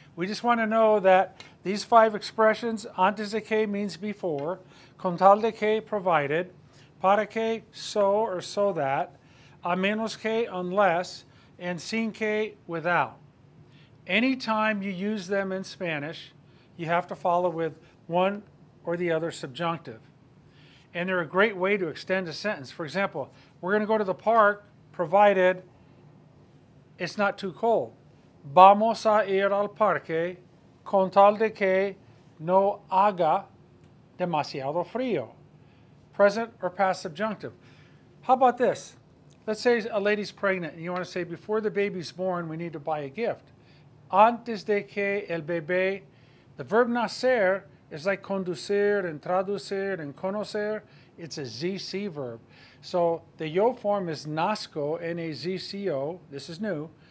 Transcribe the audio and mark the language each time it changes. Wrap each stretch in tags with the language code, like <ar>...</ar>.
<en>We just want to know that these five expressions,</en> <es>antes de que</es> <en>means before,</en> <es>con tal de que</es> <en>provided,</en> <es>para que</es> <en>so or so that,</en> <es>a menos que</es> <en>unless, and</en> <es>sin que</es> <en>without. Anytime you use them in Spanish, you have to follow with one or the other subjunctive. And they're a great way to extend a sentence. For example, we're going to go to the park, provided it's not too cold.</en> <es>Vamos a ir al parque con tal de que no haga demasiado frío.</es> <en>Present or past subjunctive. How about this? Let's say a lady's pregnant and you want to say before the baby's born, we need to buy a gift.</en> <es>Antes de que el bebé,</es> <en>the verb nacer is like conducir and traducir and conocer. It's a ZC verb. So the yo form is nazco, N-A-Z-C-O, this is new.</en>